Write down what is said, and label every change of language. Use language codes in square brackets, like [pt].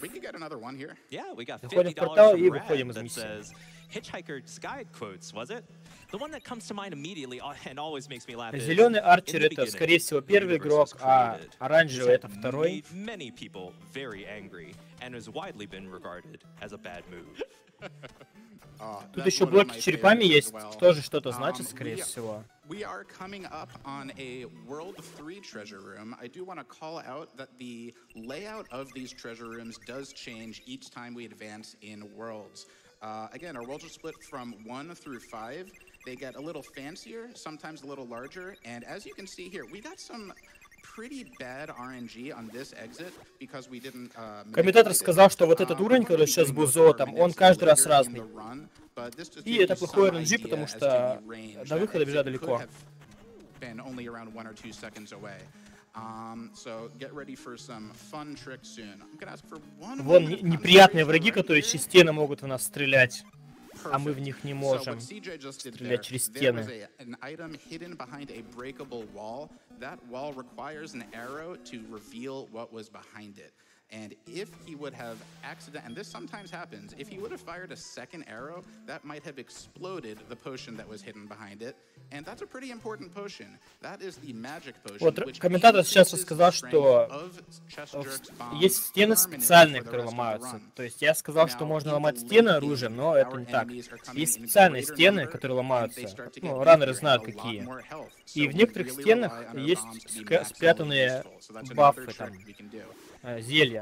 [ru] Заходим в портал и выходим из миссии. [en] Hitchhiker's Guide quotes, was it? The one that comes to mind immediately and always makes me laugh is... [ru] Зелёный Арчер — это, скорее всего, первый игрок, а оранжевый — это второй. [en] Many people very angry and has widely been regarded as a bad move. [ru] Тут еще блоки с черепами есть, тоже что-то значит, скорее всего. [en] We are coming up on a World 3 treasure room. I do want to call out that the layout of these treasure rooms does change each time we advance in worlds. Again, our worlds are split from 1 through 5. They get a little fancier, sometimes a little larger. And as you can see here, we got some pretty bad RNG on this exit because we didn't... [ru] Комментатор сказал, что вот этот уровень, который сейчас был золотом, он каждый раз разный. И это плохой RNG, потому что до выхода бежать далеко. [en] Been only around 1 or 2 seconds away. So get ready for some fun tricks soon. I'm gonna ask for one. [ru] Вон неприятные враги, которые через стены могут в нас стрелять, а мы в них не можем стрелять через стены. [en] An item hidden behind a breakable wall. That wall requires an arrow to reveal what was behind it. And if he would have accident, and this sometimes happens, if he would have fired a second arrow, that might have exploded the potion that was hidden behind it. And that's a pretty important potion. That is the magic potion. [ru] Вот комментатор сейчас сказал, что есть стены специальные, которые ломаются. То есть я сказал, что можно ломать стены оружием, но это не так. Есть специальные стены, которые ломаются. Ну, раннеры знают какие. И в некоторых стенах есть спрятанные бафы там. Зелья.